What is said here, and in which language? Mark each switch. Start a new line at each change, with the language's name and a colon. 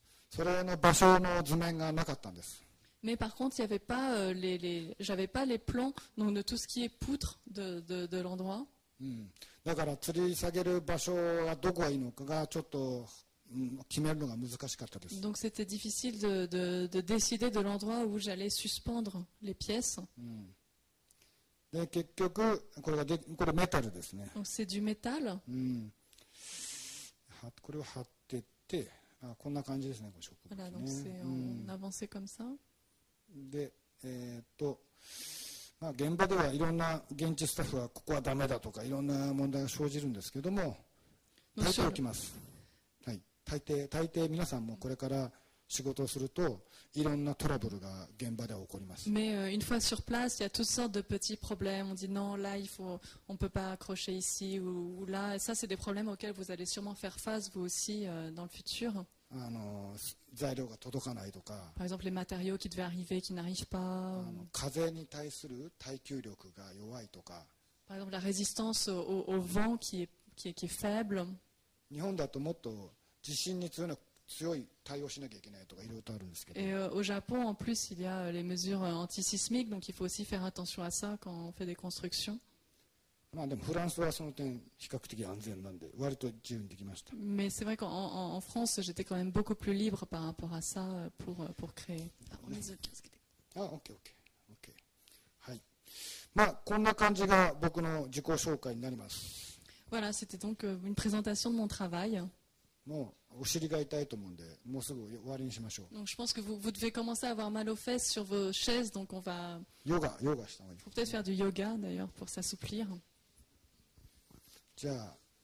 Japanese: それの場所の図面がなかったんです。
French: Mais par contre, il y avait pas j'avais pas les plans donc de tout ce qui est poutre de l'endroit.
Japanese: だから吊り下げる場所はどこがいいのかがちょっと決めるのが難しかったです。
French: Donc c'était difficile de décider de l'endroit où j'allais suspendre les pièces.
Japanese: で結局これメタルですね。
French: Donc c'est du métal.
Japanese: これを貼ってって。ああこんな感じですね、この植物ね。
French: Voilà, donc c'est en avancé comme ça.
Japanese: で、まあ、現場ではいろんな現地スタッフはここはダメだとかいろんな問題が生じるんですけども、大抵起きます。はい、大抵皆さんもこれから仕事をするといろんなトラブルが現場で起こります。
French: Mais une fois sur place, il y a toutes sortes de petits problèmes. On dit non, là, il faut, on peut pas accrocher ici ou là. Ça, c'est des problèmes auxquels vous allez sûrement faire face vous aussi dans le futur.
Japanese: 材料が届かないとか。
French: Par exemple, les matériaux qui devaient arriver qui n'arrivent pas.
Japanese: 風に対する耐久力が弱いとか。
French: Par exemple, la résistance au vent qui est faible.
Japanese: 日本だともっと地震に強いな。強い対応しなきゃいけないとかいろいろとあるんですけど。
French: au Japon, en plus, il y a les mesures anti-sismiques, donc il faut aussi faire attention à ça quand on fait des constructions.
Japanese: まあでもフランスはその点比較的安全なんで、割と自由にできました。
French: Mais c'est vrai qu'en France, j'étais quand même beaucoup plus libre par rapport à ça pour créer. OK. はい。
Japanese: まあこんな感じが僕の自己紹介になります。
French: Voilà, c'était donc une présentation de mon travail.
Japanese: もうお尻が痛いと思うんで、もうすぐ終わりにしましょう。
French: Donc, je pense que vous devez commencer à avoir mal aux fesses sur vos chaises, donc on va.
Japanese: ヨガした方がいい。
French: Faut peut-être faire du yoga d'ailleurs pour s'assouplir.
Japanese: じゃあ、